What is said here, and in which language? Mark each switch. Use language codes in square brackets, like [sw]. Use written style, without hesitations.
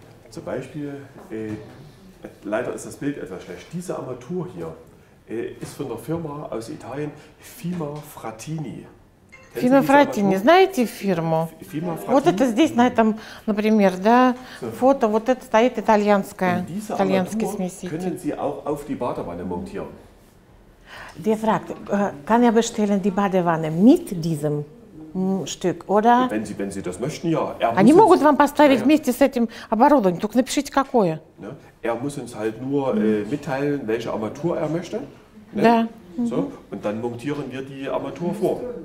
[de] Zum Beispiel, leider ist das Bild etwas schlecht. Diese Armatur hier ist von der Firma aus Italien, Fima Frattini. [ru] Fima Frattini, знаете фирму? [de] Fima Frattini. [ru] Вот это здесь, на этом, например, да, фото, вот это стоит итальянская, итальянский смеситель. [de] Können Sie auch auf die Badewanne montieren? Der fragt, kann er bestellen die Badewanne mit diesem [ru] штык, ода? Если вы хотите, да. Они могут вам поставить вместе с этим оборудованием, только напишите, какое. Он должен нам только сообщить, какую арматуру он хочет. Да. [de] So, und dann montieren wir die Armatur vor.